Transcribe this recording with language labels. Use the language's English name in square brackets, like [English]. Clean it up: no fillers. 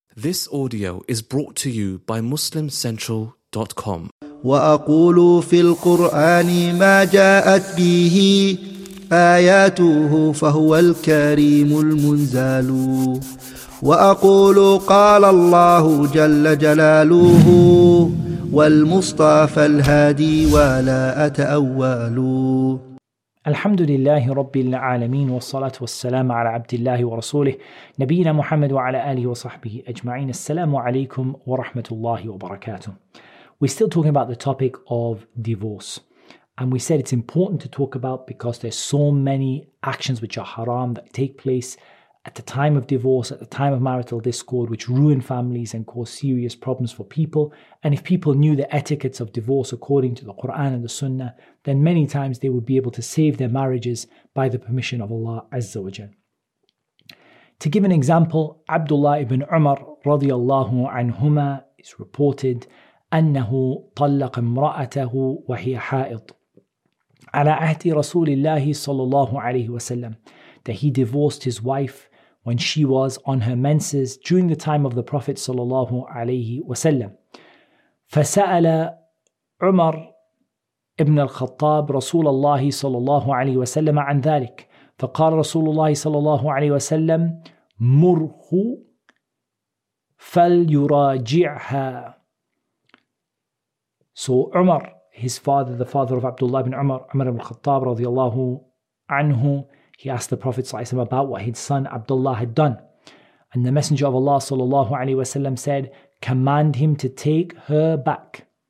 [English] This audio is brought to you by MuslimCentral.com. [Arabic] وأقول في القرآن ما جاءت به آياته فهو الكريم المنزال. وأقول قال الله جل جلاله والمصطفى الهادي ولا أتأول. الحمد لله رب العالمين والصلاة والسلام على عبد الله ورسوله نبينا محمد وعلى آله وصحبه أجمعين. السلام عليكم ورحمة الله وبركاته. [English] We're still talking about the topic of divorce. And we said it's important to talk about because there's so many actions which are haram that take place at the time of divorce, at the time of marital discord, which ruin families and cause serious problems for people. And if people knew the etiquettes of divorce according to the Quran and the Sunnah, then many times they would be able to save their marriages by the permission of Allah Azza wa Jal. To give an example, Abdullah ibn Umar radiallahu anhuma is reported [Arabic] أنه طلق امرأته وهي حائض على عهد رسول الله صلى الله عليه وسلم, [English] that he divorced his wife when she was on her menses during the time of the Prophet صلى الله عليه وسلم. [Arabic] فسأل عمر ابن الخطاب رسول الله صلى الله عليه وسلم عن ذلك, فقال رسول الله صلى الله عليه وسلم مره فليراجعها. [English] So Umar, his father, the father of Abdullah ibn Umar, Umar ibn al-Khattab radiallahu anhu, he asked the Prophet ﷺ about what his son Abdullah had done. And the Messenger of Allah sallallahu alayhi wasallam said, command him to take her back.